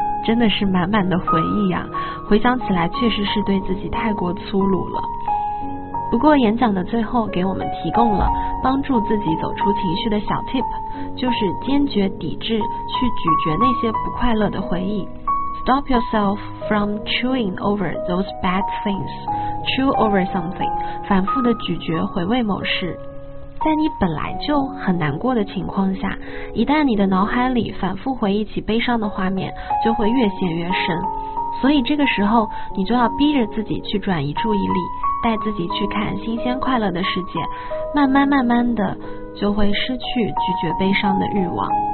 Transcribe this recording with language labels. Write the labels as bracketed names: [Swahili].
[Chinese] 真的是满满的回忆啊，回想起来确实是对自己太过粗鲁了。不过演讲的最后给我们提供了帮助自己走出情绪的小 tip， 就是坚决抵制去咀嚼那些不快乐的回忆。 [English] Stop yourself from chewing over those bad things. Chew over something. [Chinese] 反复的咀嚼回味某事。在你本来就很难过的情况下，一旦你的脑海里反复回忆起悲伤的画面，就会越陷越深。所以这个时候你就要逼着自己去转移注意力，带自己去看新鲜快乐的世界，慢慢慢慢的就会失去咀嚼悲伤的欲望。